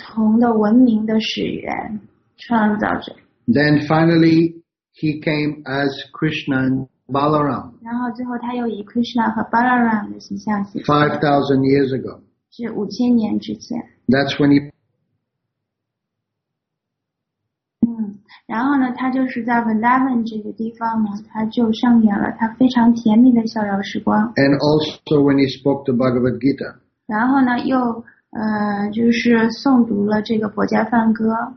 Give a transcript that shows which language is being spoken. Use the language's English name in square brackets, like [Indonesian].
[Chinese] 然后呢，这些世界上的不同的文明的始源，创造者。 [English] Then finally, he came as Krishna and Balaram. [Chinese] 然后最后，他又以 Krishna 和 Balaram 的形象现身。 [English] 5,000 years ago. [Chinese] 是5,000年之前。 [English] That's when he. [Chinese] 然后呢，他就是在 Vrindavan 这个地方呢，他就上演了他非常甜蜜的逍遥时光。 [English] And also when he spoke the Bhagavad Gita. [Chinese] 然后呢，又就是诵读了这个佛家梵歌。